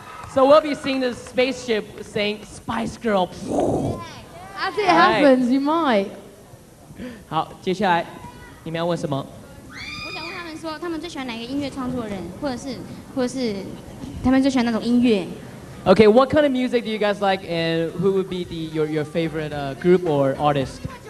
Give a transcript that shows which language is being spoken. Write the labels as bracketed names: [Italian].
[English] So we'll be seeing the spaceship saying Spice Girl. Yeah, yeah. As it happens, you might. [Chinese] 好，接下来你们要问什么？我想问他们说，他们最喜欢哪个音乐创作人，或者是他们最喜欢哪种音乐？ [English] Okay, what kind of music do you guys like, and who would be your favorite group or artist?